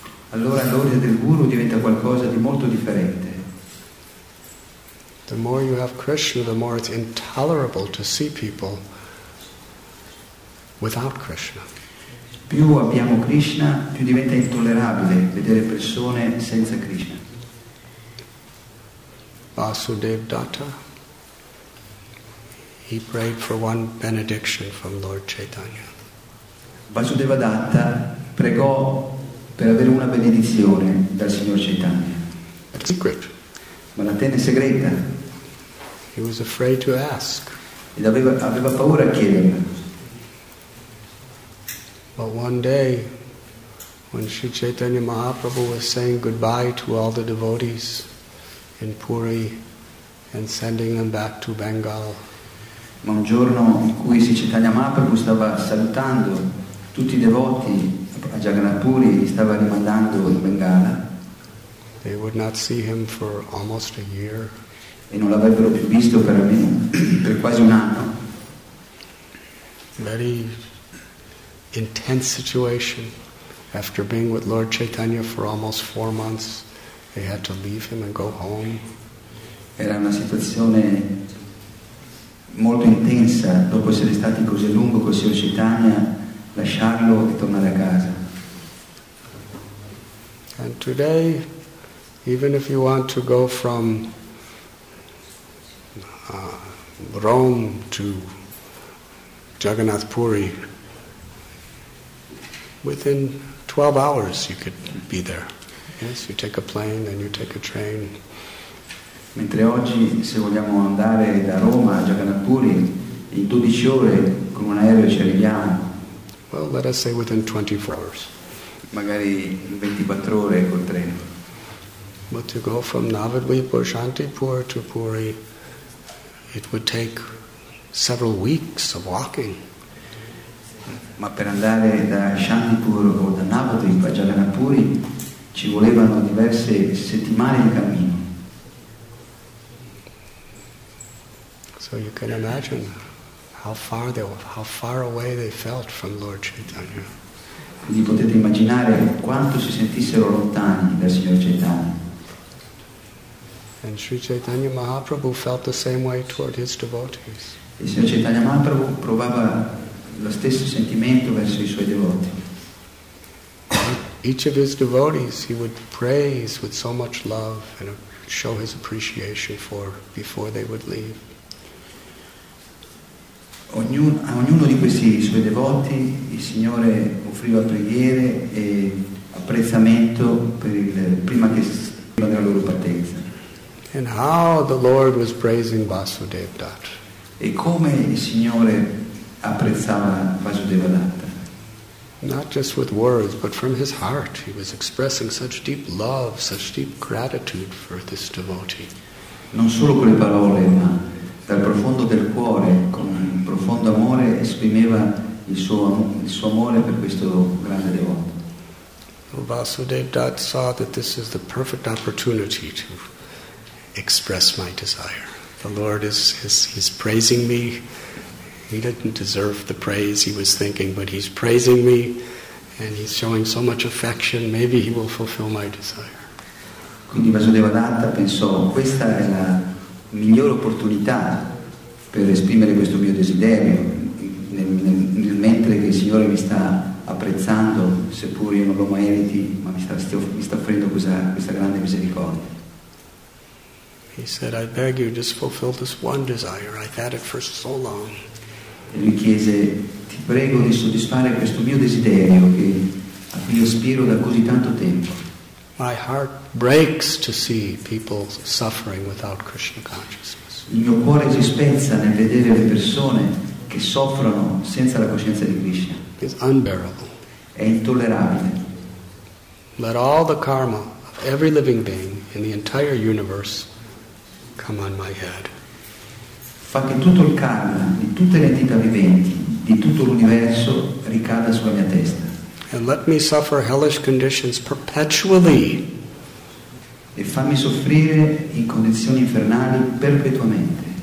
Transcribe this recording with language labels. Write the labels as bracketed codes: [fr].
[it] Allora l'ordine del guru diventa qualcosa di molto differente. [en] The more you have Krishna, the more it's intolerable to see people without Krishna. [it] Più abbiamo Krishna, più diventa intollerabile vedere persone senza Krishna. [en] Vasudev Datta, he prayed for one benediction from Lord Chaitanya. [it] Vasudeva Datta pregò per avere una benedizione dal Signor Chaitanya. [en] A secret. [it] Ma la tenne segreta. [en] He was afraid to ask. [it] Ed aveva paura a chiederla. [en] But one day, when Sri Chaitanya Mahaprabhu was saying goodbye to all the devotees in Puri and sending them back to Bengal, [it] ma un giorno in cui Sri Chaitanya Mahaprabhu stava salutando tutti i devoti a Jagannath Puri e stava rimandando in Bengala, [en] they would not see him for almost a year. [it] E non l'avrebbero più visto per almeno per quasi un anno. [en] Very intense situation. After being with Lord Chaitanya for almost 4 months, they had to leave him and go home. [it] Era una situazione molto intensa, dopo essere stati così lungo con Sri Chaitanya, lasciarlo e tornare a casa. [en] And today, even if you want to go from Rome to Jagannath Puri, within 12 hours you could be there. Yes, you take a plane and you take a train. [it] Mentre oggi se vogliamo andare da Roma a Jagannath Puri in 12 ore con un aereo ci arriviamo. [en] Well, let us say within 24 hours. [it] Magari in 24 ore col treno. [en] But to go from Navadvip or Shantipur to Puri, it would take several weeks of walking. [it] Ma per andare da Shantipur o da Navadvip a Jagannath Puri ci volevano diverse settimane di cammino. [en] So you can imagine how far away they felt from Lord Chaitanya. [it] Quindi potete immaginare quanto si sentissero lontani dal Signor Chaitanya. [en] And Sri Chaitanya Mahaprabhu felt the same way toward his devotees. [it] Il Signor Chaitanya Mahaprabhu provava lo stesso sentimento verso i suoi devoti. [en] Each of his devotees he would praise with so much love and show his appreciation for before they would leave. [it] A ognuno di questi suoi devoti il Signore offriva preghiere e apprezzamento per il prima che della loro partenza. [en] And how the Lord was praising Vasudev Datta. [it] E come il Signore apprezzava Vasudeva Datta. [en] Not just with words, but from his heart, he was expressing such deep love, such deep gratitude for this devotee. [it] Non solo con le parole, ma dal profondo del cuore, con un profondo amore, esprimeva il suo amore per questo grande devoto. [en] Vasudev Dutt saw that this is the perfect opportunity to express my desire. The Lord is praising me. He didn't deserve the praise, he was thinking, but he's praising me and he's showing so much affection, maybe he will fulfill my desire. [it] Quindi Vasudeva Datta pensò, questa è la migliore opportunità per esprimere questo mio desiderio, nel mentre che il Signore mi sta apprezzando, seppur io non lo meriti, ma mi sta offrendo questa grande misericordia. [en] He said, I beg you, just fulfill this one desire, I've had it for so long. [it] E lui chiese, ti prego di soddisfare questo mio desiderio che a cui aspiro da così tanto tempo. [en] My heart breaks to see people suffering without Krishna consciousness. [it] Il mio cuore si spezza nel vedere le persone che soffrono senza la coscienza di Krishna. [en] It's unbearable. [it] È intollerabile. [en] Let all the karma of every living being in the entire universe come on my head. [it] Fa che tutto il karma di tutte le entità viventi, di tutto l'universo, ricada sulla mia testa. [en] And let me suffer hellish conditions perpetually. [it] E fammi soffrire in condizioni infernali perpetuamente.